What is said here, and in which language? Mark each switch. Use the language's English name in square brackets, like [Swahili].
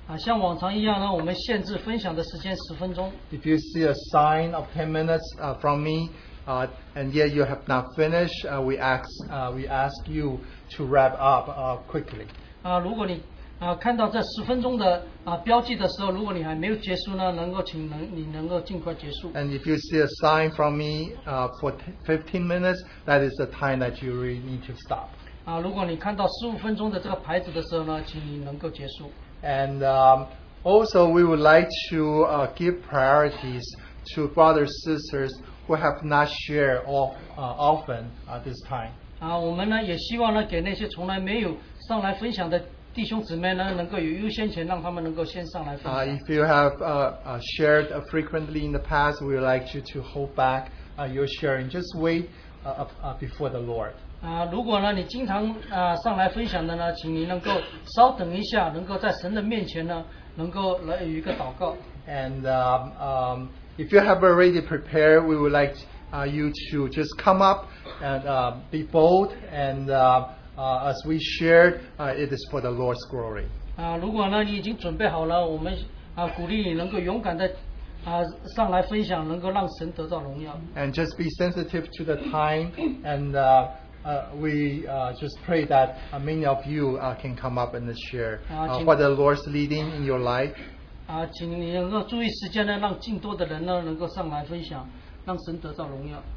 [Chinese] 像往常一样呢，我们限制分享的时间十分钟。 [English] If you see a sign of 10 minutes from me, and yet you have not finished, we ask you to wrap up quickly. [Chinese] 如果你看到这十分钟的标记的时候，如果你还没有结束呢，你能够尽快结束。 [English] And if you see a sign from me for 15 minutes, that is the time that you really need to stop. [Chinese] 如果你看到十五分钟的这个牌子的时候呢，请你能够结束。 [English] And also, we would like to give priorities to brothers and sisters who have not shared often this time. [Chinese] 我们呢也希望呢给那些从来没有上来分享的弟兄姊妹呢，能够有优先权，让他们能够先上来分享。 [English] If you have shared frequently in the past, we would like you to hold back your sharing. Just wait before the Lord. [Chinese] 如果呢你经常上来分享的呢，请你能够稍等一下，能够在神的面前呢，能够来有一个祷告。 [English] And if you have already prepared, we would like you to just come up and be bold and. As we shared, it is for the Lord's glory. [Chinese] 如果呢你已经准备好了，我们鼓励你能够勇敢的上来分享，能够让神得到荣耀。 [English] And just be sensitive to the time, and we just pray that many of you can come up and share what the Lord's leading in your life. [Chinese] 请你能够注意时间呢，让更多的人呢能够上来分享，让神得到荣耀。